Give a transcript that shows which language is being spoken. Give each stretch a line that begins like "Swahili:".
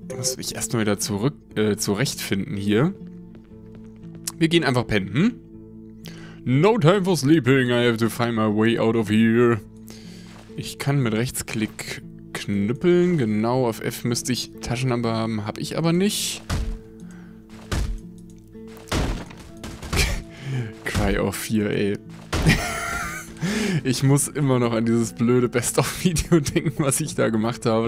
German: Muss ich erst mal wieder zurück zurechtfinden hier. Wir gehen einfach pennen.
English: Hm? No time for sleeping. I have to find my way out of here.
German: Ich kann mit Rechtsklick knüppeln. Genau, auf F müsste ich Taschenlampe haben. Hab ich aber nicht. Cry of Fear, ey. Ich muss immer noch an dieses blöde Best-of-Video denken, was ich da gemacht habe.